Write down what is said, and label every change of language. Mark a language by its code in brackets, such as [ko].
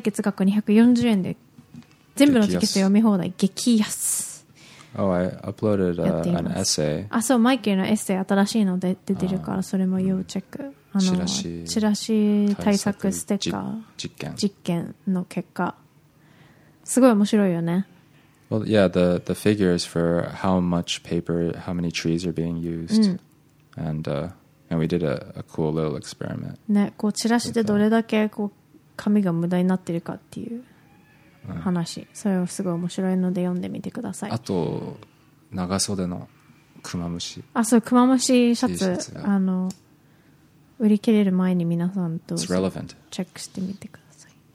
[ja] 月額240円で全部のテキスト読み放題、激安。 [en] Oh, I uploaded an essay. [ja] あ、そう、マイケルのエッセイ新しいので出てるからそれも要チェック。あの、チラシ対策ステッカー実験。実験の結果。すごい面白いよね。 [en] Well, yeah, the figures for how much paper, how many trees are being used,、うん、 and we did a cool little experiment. [ja] ね、こうチラシでどれだけこう紙が無駄になってるかっていう話、うん、それはすごい面白いので読んでみてください。あと長袖のクマムシ。あ、そうクマムシシャツ、あの売り切れる前に皆さんとチェックしてみてください。